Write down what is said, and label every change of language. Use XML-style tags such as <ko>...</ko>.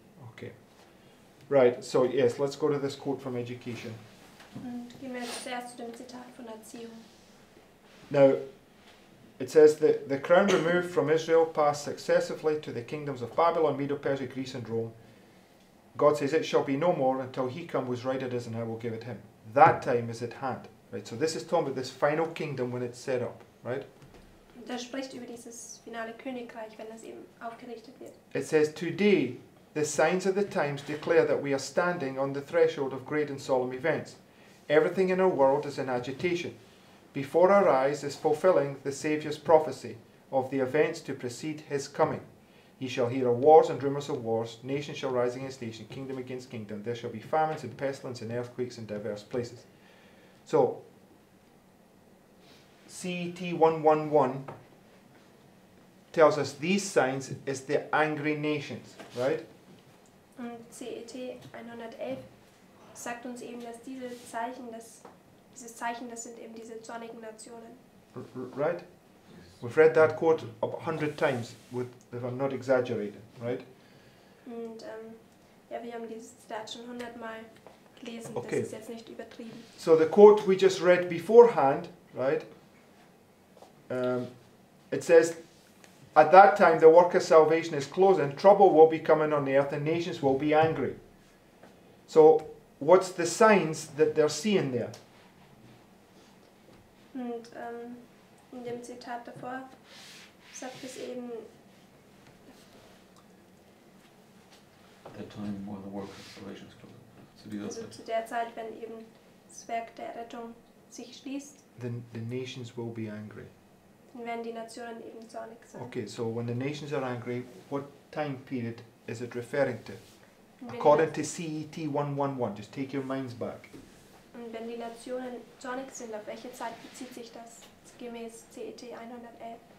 <en>Okay. Right, so yes, let's go to this quote from education.</en> <de>Und gehen wir jetzt erst zu dem Zitat von Erziehung.</de> <en>Now, it says that the crown removed from Israel passed successively to the kingdoms of Babylon, Medo-Persia, Greece and Rome. God says it shall be no more until he come whose right it is and I will give it him. That time is at hand. Right. So this is talking about this final kingdom when it's set up, right?</en> <de>Da spricht über dieses finale Königreich, wenn es eben aufgerichtet wird.</de> <en>It says today the signs of the times declare that we are standing on the threshold of great and solemn events. Everything in our world is in agitation. Before our eyes is fulfilling the Saviour's prophecy of the events to precede his coming. Ye shall hear of wars and rumours of wars, nation shall rise against nation, kingdom against kingdom. There shall be famines and pestilence and earthquakes in diverse places. So, CET 111 tells us these signs is the angry nations, right?</en> <de>Und CET 111 sagt uns eben, dass diese Zeichen, dieses Zeichen, das sind eben diese zornigen Nationen.</de> <en>Right? Yes. We've read that quote 100 times, if I'm not exaggerating, right?</en> <de>Und ja, wir haben dieses Zitat schon 100 Mal gelesen. Okay. Das ist jetzt nicht übertrieben.</de> <en>So the quote we just read beforehand, right? It says, at that time the work of salvation is closed and trouble will be coming on the earth and nations will be angry. So what's the signs that they're seeing there?</en> <de>Und in dem Zitat davor sagt es eben,</de> <en>at that time when the work of salvation is closed.</en> <de>So also zu der Zeit, wenn eben das Werk der Rettung sich schließt,</de> <en>then the nations will be angry.</en> <de>Dann werden die Nationen eben zornig sein.</de> <en>Okay, so when the nations are angry, what time period is it referring to? According to CET 111, just take your minds back.</en> <de>Und wenn die Nationen zornig sind, auf welche Zeit bezieht sich das gemäß CET 111?</de>